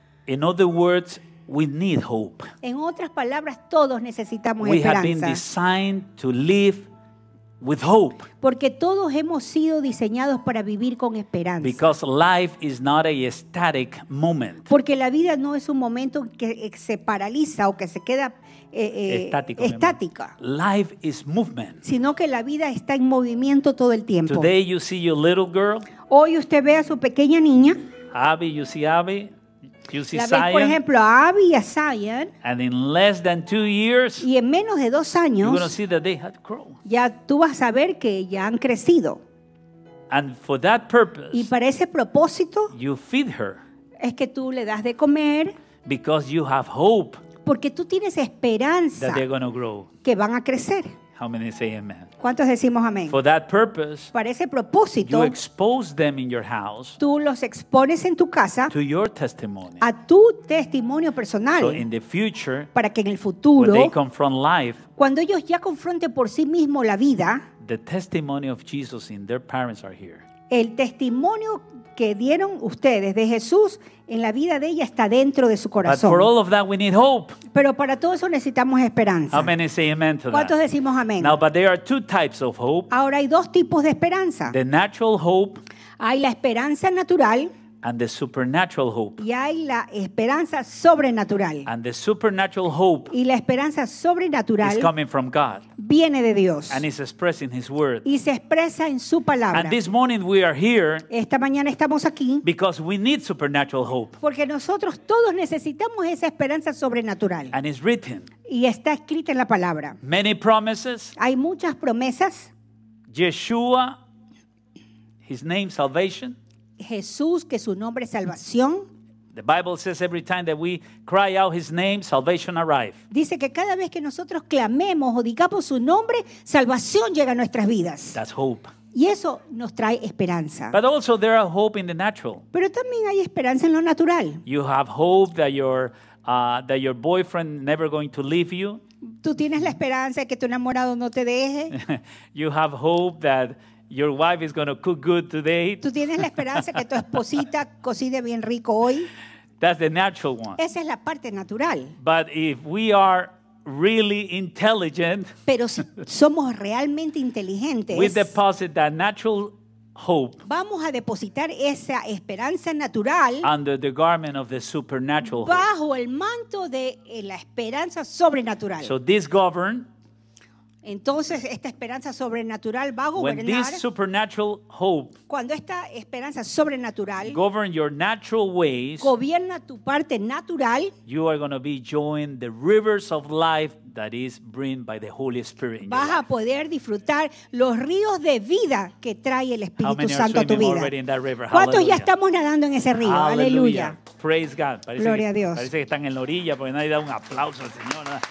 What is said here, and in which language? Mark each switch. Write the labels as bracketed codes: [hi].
[en] In other words, we need hope. [es] En otras palabras, todos necesitamos [en] we [es] esperanza. [en] We have been designed to live with hope. [es] Porque todos hemos sido diseñados para vivir con esperanza. [en] Because life is not a static moment. [es] Porque la vida no es un momento que se paraliza o que se queda estática. [en] Life is movement. [es] Sino que la vida está en movimiento todo el tiempo. [en] Today you see your little girl. [es] Hoy usted ve a su pequeña niña. [en] Abby, you see Abby. You see [es] la vez, Zion, por ejemplo, a Abby y a Zion. [en] And in less than 2 years, [es] y en menos de 2 años, [en] you're gonna see that they had grown. [es] Ya tú vas a ver que ya han crecido. [en] And for that purpose, [es] y para ese propósito, [en] you feed her. [es] Es que tú le das de comer. [en] Because you have hope. [es] Porque tú tienes esperanza [en] that they're gonna grow. [es] Que van a crecer. [en] How many say amen? [es] ¿Cuántos decimos amén? [en] For that purpose, [es] para ese propósito, [en] you expose them in your house, [es] tú los expones en tu casa [en] to your testimony. [es] A tu testimonio personal. [en] So in the future, [es] para que en el futuro, [en] when they confront life, [es] cuando ellos ya confronten por sí mismos la vida, [en] the testimony of Jesus in their parents are here. [es] El testimonio que dieron ustedes de Jesús en la vida de ella está dentro de su corazón. [en] But for all of that we need hope. [es] Pero para todo eso necesitamos esperanza. [en] How many say amen to that? [es] ¿Cuántos decimos amén? [en] Now, but there are two types of hope. [es] Ahora hay dos tipos de esperanza. [en] The natural hope. [es] Hay la esperanza natural. [en] And the supernatural hope. [es] Y hay la esperanza sobrenatural. [en] And the supernatural hope. [es] Y la esperanza sobrenatural. [en] Is coming from God. [es] Viene de Dios. [en] And is expressing His word. [es] Y se expresa en su palabra. [en] And this morning we are here. [es] Esta mañana estamos aquí. [en] Because we need supernatural hope. [es] Porque nosotros todos necesitamos esa esperanza sobrenatural. [en] And it's written. [es] Y está escrita en la palabra. [en] Many promises. [es] Hay muchas promesas. [en] Yeshua, His name, salvation. [es] Jesús, que su nombre es salvación. [en] The Bible says every time that we cry out His name, salvation arrives. [es] Dice que cada vez que nosotros clamemos o digamos su nombre, salvación llega a nuestras vidas. [en] That's hope. [es] Y eso nos trae esperanza. [en] But also there are hope in the natural. [es] Pero también hay esperanza en lo natural. [en] You have hope that your boyfriend never going to leave you. [es] Tú tienes la esperanza de que tu enamorado no te deje. [en] You have hope that your wife is going to cook good today. [es] Tú tienes la esperanza que tu esposita cocine bien rico hoy. [en] That's the natural one. [es] Esa es la parte natural. [en] But if we are really intelligent, [es] pero si somos realmente inteligentes, [en] we deposit that natural hope. [es] Vamos a depositar esa esperanza natural [en] under the garment of the supernatural hope. [es] Bajo el manto de la esperanza sobrenatural. [en] So this govern. [es] Entonces esta esperanza sobrenatural va a gobernar. [en] When this supernatural hope, [es] cuando esta esperanza sobrenatural [en] govern your natural ways, [es] gobierna tu parte natural, [en] you are going to be joined the rivers of life that is brought by the Holy Spirit. [es] Vas a poder disfrutar los ríos de vida que trae el Espíritu Santo a tu vida. [en] Already in that river? [es] ¿Cuántos ya estamos nadando en ese río? Aleluya. [en] Praise God. [es] Parece Gloria que, a Dios. Parece que están en la orilla porque nadie da un aplauso al Señor.